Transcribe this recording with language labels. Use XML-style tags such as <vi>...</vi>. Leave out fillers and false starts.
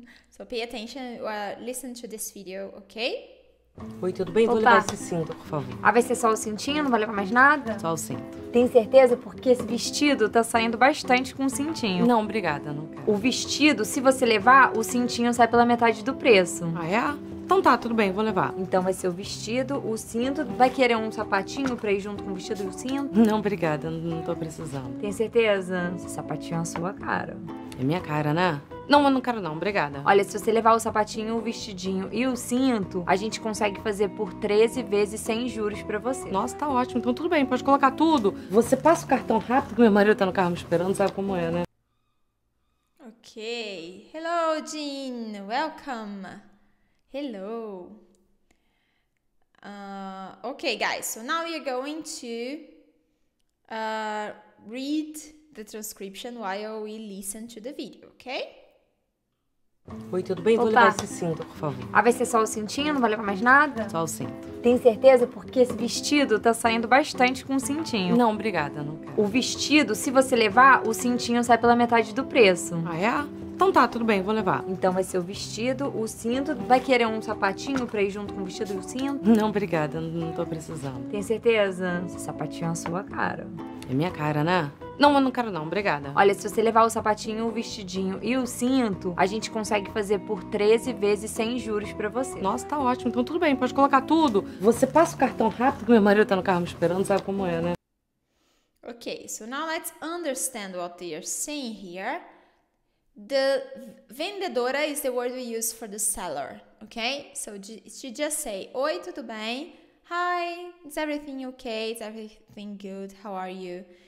<en>So pay attention, listen to this video, okay?</en> <pt>Oi, tudo bem? Vou levar Opa! esse cinto, por favor. Ah, vai ser só o cintinho, não vai levar mais nada? Só o cinto. Tem certeza? Porque esse vestido tá saindo bastante com o cintinho. Não, obrigada, não quero. O vestido, se você levar, o cintinho sai pela metade do preço. Ah, é? Então tá, tudo bem, vou levar. Então vai ser o vestido, o cinto. Vai querer um sapatinho pra ir junto com o vestido e o cinto? Não, obrigada, não tô precisando. Tem certeza? Esse sapatinho é a sua cara. É minha cara, né? Não, eu não quero não, obrigada. Olha, se você levar o sapatinho, o vestidinho e o cinto, a gente consegue fazer por 13 vezes sem juros pra você. Nossa, tá ótimo. Então tudo bem, pode colocar tudo. Você passa o cartão rápido, meu marido tá no carro me esperando, sabe como é, né?</pt> <en>Okay. Hello, Jean. Welcome. Hello. Okay, guys. So now you're going to read the transcription while we listen to the video, okay?</en> <pt>Oi, tudo bem? Vou levar Opa! esse cinto, por favor. Ah, vai ser só o cintinho, não vai levar mais nada? Só o cinto. Tem certeza? Porque esse vestido tá saindo bastante com o cintinho. Não, obrigada, não quero. O vestido, se você levar, o cintinho sai pela metade do preço. Ah, é? Então tá, tudo bem, vou levar. Então vai ser o vestido, o cinto. Vai querer um sapatinho pra ir junto com o vestido e o cinto? Não, obrigada, não tô precisando. Tem certeza? Esse sapatinho é a sua cara. É minha cara, né? Não, eu não quero não, obrigada. Olha, se você levar o sapatinho, o vestidinho e o cinto, a gente consegue fazer por 13 vezes sem juros pra você. Nossa, tá ótimo. Então tudo bem, pode colocar tudo. Você passa o cartão rápido, meu marido tá no carro me esperando, sabe como é, né?</pt> <en>Okay, so now let's understand what they are saying here. The vendedora is the word we use for the seller, okay? So she just say,</en> <pt>"Oi, tudo bem?</pt> <en>Hi, is everything okay? Is everything good? How are you?"</en>